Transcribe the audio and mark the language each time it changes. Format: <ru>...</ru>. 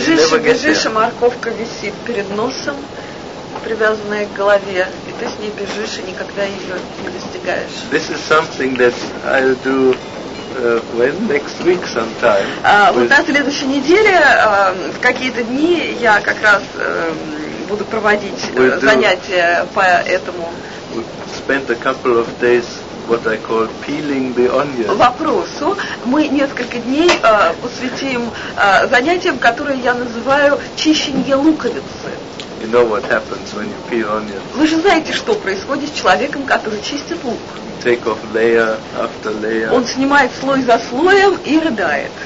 <ru>Забежишь, and бежишь, а морковка висит перед носом, привязанная к голове, и ты с ней бежишь и никогда ее не достигаешь.</ru> <en>This is something that I'll do when next week sometime.</en> <ru>Вот на следующей неделе в какие-то дни я как раз буду проводить занятия по этому.</ru> <en>Spend a couple of days. What I call peeling the onion.</en> <ru>Вопросу мы несколько дней посвятим занятиям, которые я называю чищение луковицы.</ru> <en>You know what happens when you peel onion.</en> <ru>Вы же знаете, что происходит с человеком, который чистит лук.</ru> <en>Take off layer after layer.</en> <ru>Он снимает слой за слоем и рыдает.</ru>